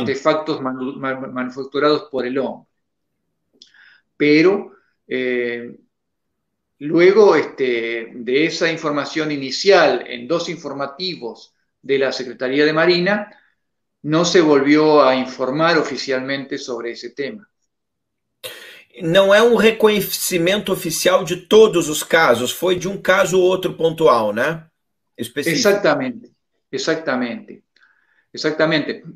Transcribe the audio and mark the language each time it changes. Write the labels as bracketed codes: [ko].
[es] artefactos manufacturados por el hombre. Pero luego de esa información inicial en dos informativos de la Secretaría de Marina, no se volvió a informar oficialmente sobre ese tema. [pt] Não é um reconhecimento oficial de todos os casos, foi de um caso ou outro pontual, né? [es] Específico. Exactamente, exactamente, exactamente.